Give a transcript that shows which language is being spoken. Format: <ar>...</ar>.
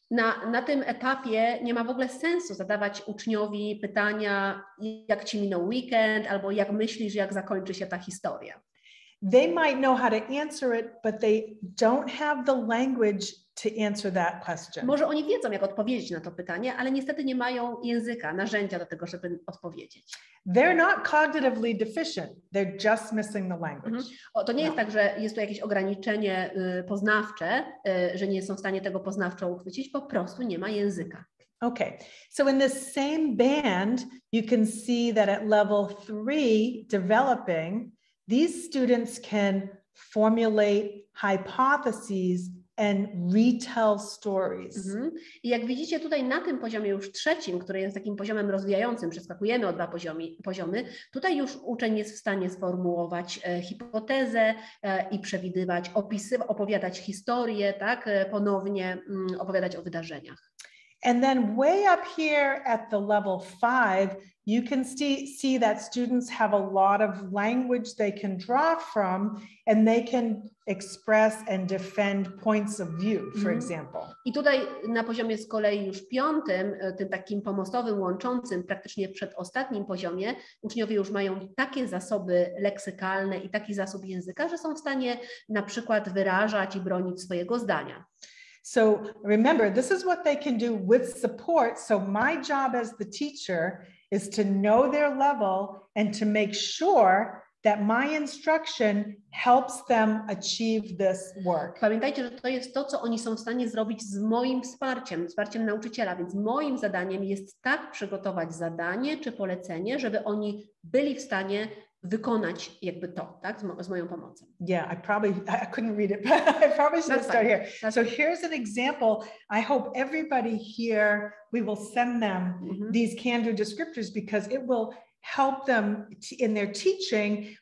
<pl>Na tym etapie nie ma w ogóle sensu zadawać uczniowi pytania, jak ci minął weekend albo jak myślisz, jak zakończy się ta historia.</pl> <en>They might know how to answer it, but they don't have the language to answer that question.</en> <pl>Może oni wiedzą, jak odpowiedzieć na to pytanie, ale niestety nie mają języka, narzędzia do tego, żeby odpowiedzieć.</pl> <en>They're not cognitively deficient. They're just missing the language. Mm-hmm.</en> <pl>To nie jest tak, że jest to jakieś ograniczenie poznawcze, że nie są w stanie tego poznawczo uchwycić, po prostu nie ma języka.</pl> <en>Okay. So in this same band, you can see that at level three, developing, these students can formulate hypotheses and retell stories. Mm-hmm.</en> <pl>I jak widzicie tutaj na tym poziomie już trzecim, który jest takim poziomem rozwijającym, przeskakujemy o dwa poziomy, tutaj już uczeń jest w stanie sformułować hipotezę i przewidywać, opowiadać historię, tak, ponownie opowiadać o wydarzeniach.</pl> <en>And then way up here at the level five, you can see that students have a lot of language they can draw from and they can express and defend points of view, for example.</en> <pl>I tutaj na poziomie z kolei już piątym, tym takim pomostowym, łączącym, praktycznie przedostatnim poziomie, uczniowie już mają takie zasoby leksykalne i taki zasób języka, że są w stanie na przykład wyrażać i bronić swojego zdania.</pl> <en>So remember, this is what they can do with support. So my job as the teacher is to know their level and to make sure that my instruction helps them achieve this work.</en> <pl>Pamiętajcie, że to jest to, co oni są w stanie zrobić z moim wsparciem, wsparciem nauczyciela. Więc moim zadaniem jest tak przygotować zadanie czy polecenie, żeby oni byli w stanie wykonać jakby to, tak, z moją pomocą.</pl> <en>Yeah, I couldn't read it, but I probably should start here. So here's an example. I hope everybody here, we will send them these candor descriptors because it will help them in their teaching.</en>